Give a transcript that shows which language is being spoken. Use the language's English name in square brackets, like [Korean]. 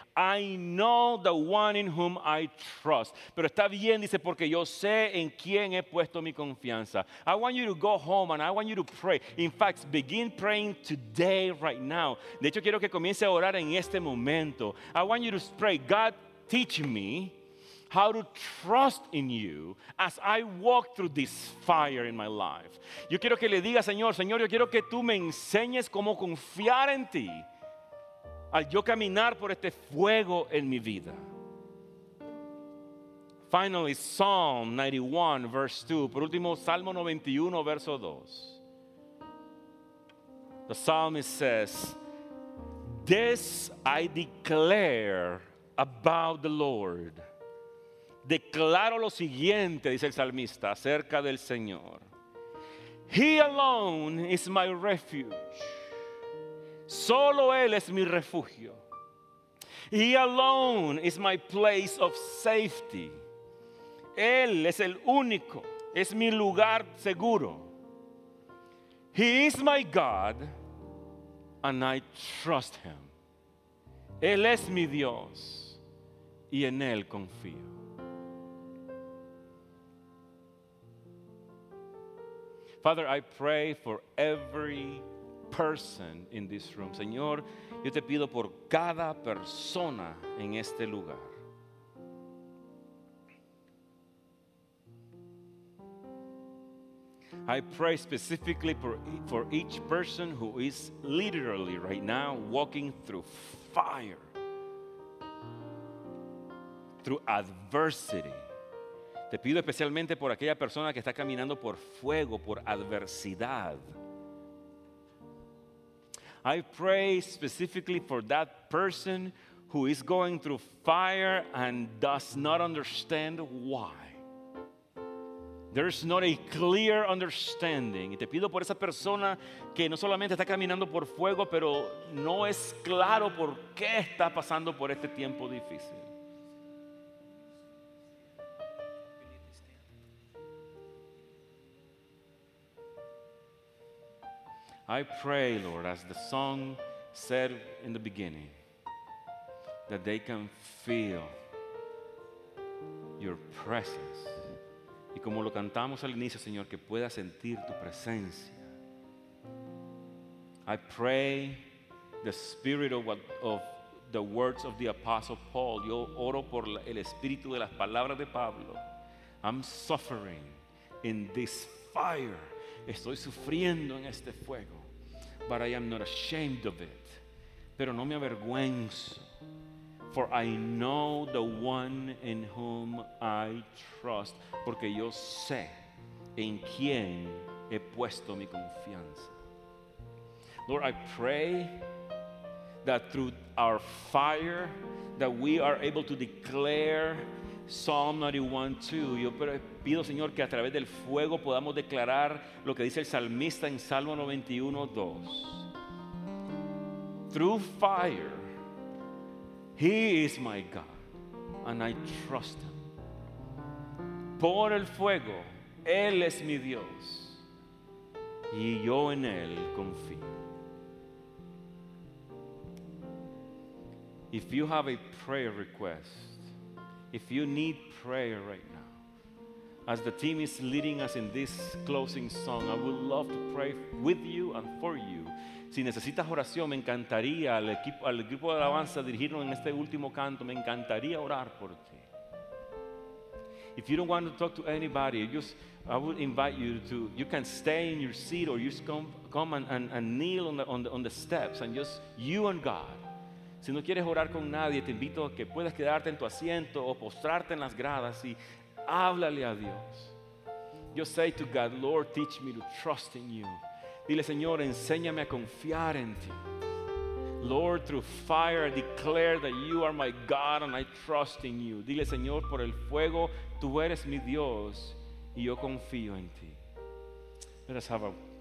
[English] I know the one in whom I trust. [Spanish] Pero está bien, dice, porque yo sé en quién he puesto mi confianza. [English] I want you to go home and I want you to pray. In fact, begin praying today, right now. [Spanish] De hecho, quiero que comience a orar en este momento. [English] I want you to pray, God, teach me how to trust in you as I walk through this fire in my life. [Spanish] Yo quiero que le diga, Señor, yo quiero que tú me enseñes cómo confiar en ti al yo caminar por este fuego en mi vida. [English] Finally, Psalm 91, verse 2. [Spanish] Por último, Salmo 91, verso 2. [English] The psalmist says, "This I declare about the Lord." [Spanish] Declaro lo siguiente, dice el salmista, acerca del Señor. [English] "He alone is my refuge." [Spanish] Solo Él es mi refugio. [English] "He alone is my place of safety." [Spanish] Él es el único, es mi lugar seguro. [English] "He is my God and I trust Him." [Spanish] Él es mi Dios y en Él confío. [English] Father, I pray for every person in this room. [Spanish] Señor, yo te pido por cada persona en este lugar. [English] I pray specifically for each person who is literally right now walking through fire, through adversity. [Spanish] Te pido especialmente por aquella persona que está caminando por fuego, por adversidad. [English] I pray specifically for that person who is going through fire and does not understand why. There's not a clear understanding. [Spanish] Te pido por esa persona que no solamente está caminando por fuego, pero no es claro por qué está pasando por este tiempo difícil. [English] I pray, Lord, as the song said in the beginning, that they can feel your presence. [Spanish] Y como lo cantamos al inicio, Señor, que pueda sentir tu presencia. [English] I pray the spirit of the words of the Apostle Paul. [Spanish] Yo oro por el espíritu de las palabras de Pablo. [English] I'm suffering in this fire. [Spanish] Estoy sufriendo en este fuego. [English] But I am not ashamed of it. [Spanish] Pero no me avergüenzo. [English] For I know the one in whom I trust. [Spanish] Porque yo sé en quién he puesto mi confianza. [English] Lord, I pray that through our fire that we are able to declare Psalm 91:2. [Spanish] Yo pido, Señor, que a través del fuego podamos declarar lo que dice el salmista en Salmo 91:2. [English] Through fire, He is my God, and I trust Him. [Spanish] Por el fuego, Él es mi Dios, y yo en Él confío. [English] If you have a prayer request, if you need prayer right now, as the team is leading us in this closing song, I would love to pray with you and for you. [Spanish] Si necesitas oración, me encantaría al grupo de alabanza dirigirnos en este último canto. Me encantaría orar por ti. [English] If you don't want to talk to anybody, I would invite you to, you can stay in your seat or just come and kneel on the steps and just you and God. [Spanish] Si no quieres orar con nadie, te invito a que puedas quedarte en tu asiento o postrarte en las gradas y háblale a Dios. [English] Just say to God, Lord, teach me to trust in you. [Spanish] Dile, Señor, enséñame a confiar en ti. [English] Lord, through fire I declare that you are my God and I trust in you. [Spanish] Dile, Señor, por el fuego, tú eres mi Dios y yo confío en ti. [English] Let us have a